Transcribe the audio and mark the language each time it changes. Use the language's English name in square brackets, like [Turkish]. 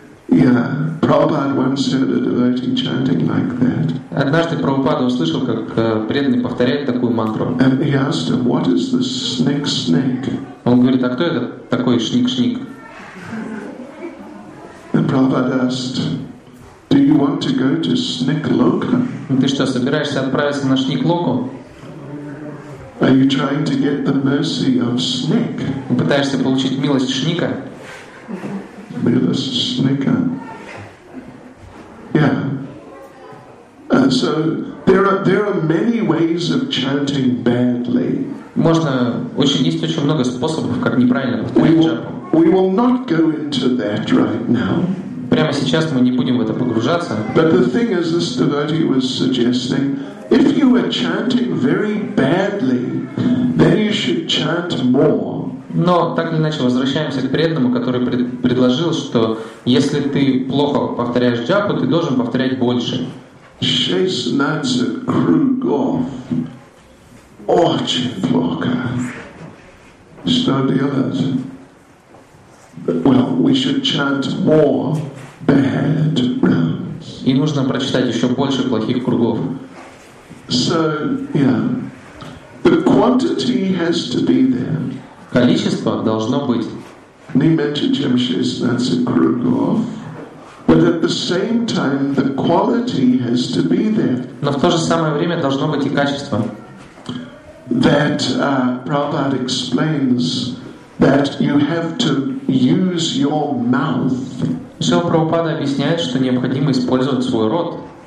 [English] Yeah, Prabhupada once heard a devotee chanting like that. [Russian] Однажды Прабхупада услышал, как преданный повторяет такую мантру. [English] And he asked him, "What is this snick snick?" [Russian] Он говорит, а кто это такой шник шник? [English] And Prabhupada asked, "Do you want to go to Snick Loka?" [Russian] Ты что, собираешься отправиться на Шник-Локу? [English] Are you trying to get the mercy of Snick? [Russian] Пытаешься получить милость Шника? Милость Шника. Yeah. [English] So there are many ways of chanting badly. [Russian] Можно очень есть очень много способов, как неправильно повторять джапу. [English] We will not go into that right now. [Russian] Прямо сейчас мы не будем в это погружаться. [English] But the thing is, this devotee was suggesting, if you were chanting very badly, then you should chant more. [Russian] Но так или иначе возвращаемся к преданному, который предложил, что если ты плохо повторяешь джапу, ты должен повторять больше. Шейснадзе кругов. Очень плохо. Что делать? [English] Well, we should chant more. Bad rounds. [Russian] И нужно прочитать еще больше плохих кругов. [English] So, yeah. The quantity has to be there. [Russian] Количество должно быть. Не меньше, чем 16 кругов. [English] But at the same time, the quality has to be there. [Russian] Но в то же самое время должно быть и качество. [English] That Prabhupada explains that you have to use your mouth. [Russian] Шрила Прабхупада объясняет, что необходимо использовать свой рот.